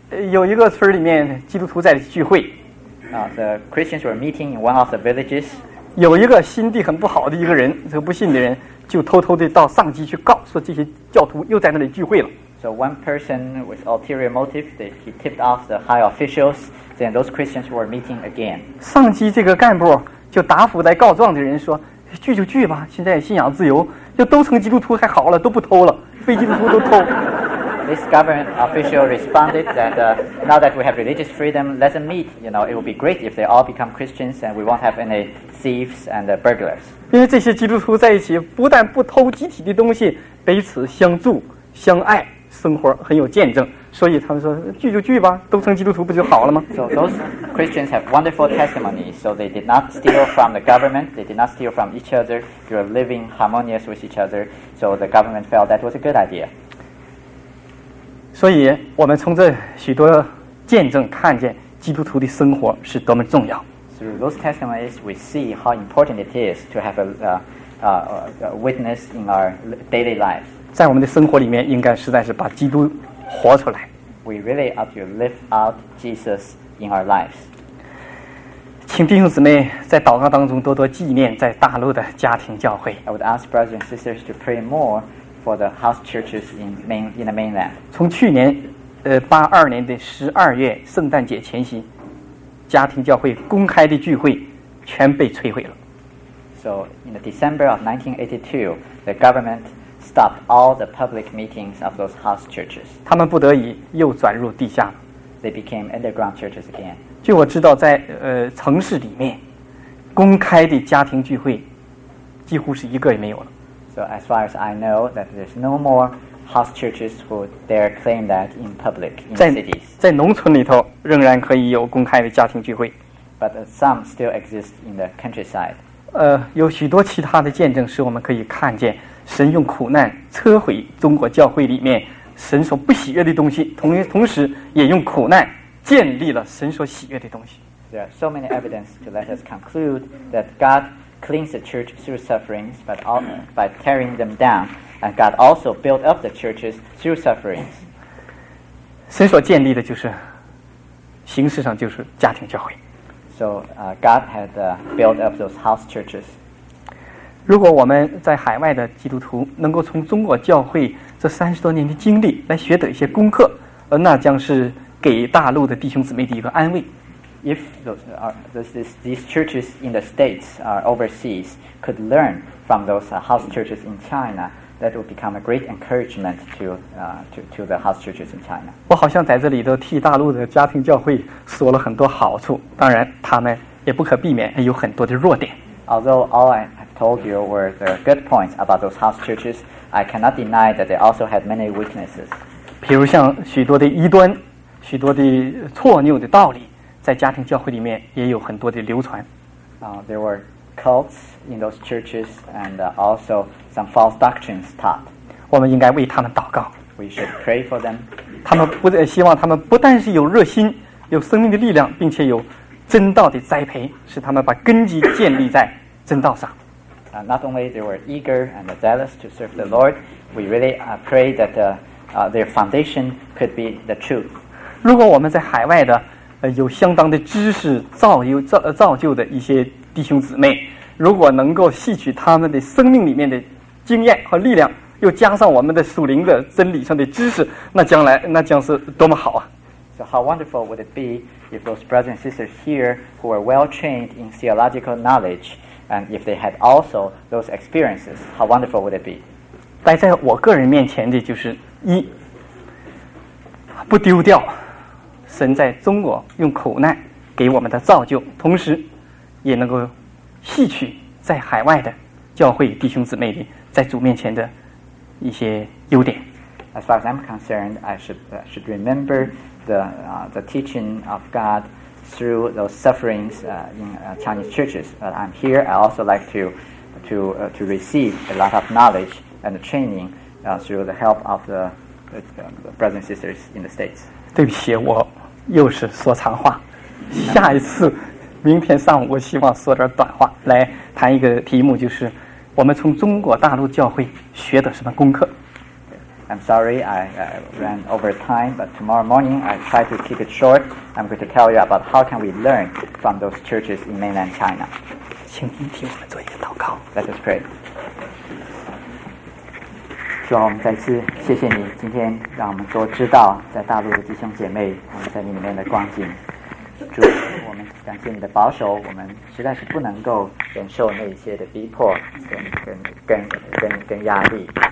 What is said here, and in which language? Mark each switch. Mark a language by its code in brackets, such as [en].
[zh] 有一个村里面基督徒在聚会。 [en] The Christians were meeting in one of the villages. [zh] 有一个心地很不好的一个人，这个不信的人，就偷偷地到上级去告，说这些教徒又在那里聚会了。 [en] So one person with ulterior motive, he tipped off the high officials, then those Christians were meeting again. [zh] 上级这个干部就答复来告状的人说，拒就拒吧，现在信仰自由，就都成基督徒还好了，都不偷了，非基督徒都偷。 [en] This government official responded that now that we have religious freedom, let them meet. You know, it would be great if they all become Christians and we won't have any thieves and burglars. [zh] 因为这些基督徒在一起，不但不偷集体的东西，彼此相助、相爱，生活很有见证。所以他们说，聚就聚吧，都成基督徒不就好了吗 [en] ？So those Christians have wonderful testimony. So they did not steal from the government. They did not steal from each other. They were living harmonious with each other. So the government felt that was a good idea. [zh] 所以我们从这许多见证看见基督徒的生活是多么重要。 [en] Through those testimonies, we see how important it is to have a witness in our daily lives. [zh] 在我们的生活里面，应该实在是把基督活出来。 [en] We really ought to live out Jesus in our lives. [zh] 请弟兄姊妹在祷告当中多多纪念在大陆的家庭教会。 [en] I would ask brothers and sisters to pray more. For the house churches in the mainland. [zh] 从去年，82年的12月圣诞节前夕，家庭教会公开的聚会全被摧毁了。 [en] So in the December of 1982, the government stopped all the public meetings of those house churches. [zh] 他们不得已又转入地下了。 [en] They became underground churches again. [zh] 据我知道，在城市里面，公开的家庭聚会几乎是一个也没有了。 [en] So as far as I know, that there's no more house churches who dare claim that in public in cities. [zh] 在农村里头仍然可以有公开的家庭聚会。 [en] But some still exist in the countryside. [zh] 有许多其他的见证使我们可以看见神用苦难摧毁中国教会里面神所不喜悦的东西，同时也用苦难建立了神所喜悦的东西。 [en] There are so many evidence to let us conclude that God. Cleans the church through sufferings, but all, by tearing them down, and God also built up the churches through sufferings. [zh] 神所建立的就是形式上就是家庭教会。 [en] So God had built up those house churches. [zh] 如果我们在海外的基督徒能够从中国教会这30多年的经历来学得一些功课，那将是给大陆的弟兄姊妹的一个安慰。 [en] If these churches in the States or overseas could learn from those house churches in China, that would become a great encouragement to the house churches in China. [zh] 我好像在这里都替大陆的家庭教会说了很多好处，当然他们也不可避免有很多的弱点。 [en] Although all I have told you were the good points about those house churches, I cannot deny that they also had many weaknesses. [zh] 比如像许多的异端，许多的错谬的道理。在家庭教会里面也有很多的流传。 [en] There were cults in those churches and also some false doctrines taught. [zh] 我们应该为他们祷告。 [en] We should pray for them. [zh] 他们不希望他们不但是有热心、有生命的力量，并且有真道的栽培，使他们把根基建立在真道上。 [en] Not only they were eager and zealous to serve the Lord, we really pray that their foundation could be the truth. [zh] 如果我们在海外的有相当的知识造就的一些弟兄姊妹，如果能够吸取他们的生命里面的经验和力量，又加上我们的属灵的真理上的知识，那将是多么好啊！ [en] So how wonderful would it be if those brothers and sisters here who are well trained in theological knowledge and if they had also those experiences? How wonderful would it be? [zh] 摆在我个人面前的就是一不丢掉。神在中国用苦难给我们的造就，同时也能够吸取在海外的教会弟兄姊妹的在主面前的一些优点。 [en] As far as I'm concerned, I should remember the teaching of God through those sufferings in Chinese churches. But I'm here. I also like to receive a lot of knowledge and training through the help of the brothers and sisters in the States. [zh] 对不起，我。又是说长话，下一次明天上午我希望说点短话来谈一个题目，就是我们从中国大陆教会学的什么功课。 [en] I'm sorry, I ran over time, but tomorrow morning I try to keep it short. I'm going to tell you about how can we learn from those churches in mainland China. [zh] 请您替我们做一个祷告。 [en] Let us pray. [zh] 希望我们再次谢谢你今天让我们都知道在大陆的弟兄姐妹我们在你里面的光景。主，我们感谢你的保守，我们实在是不能够忍受那些的逼迫跟压力。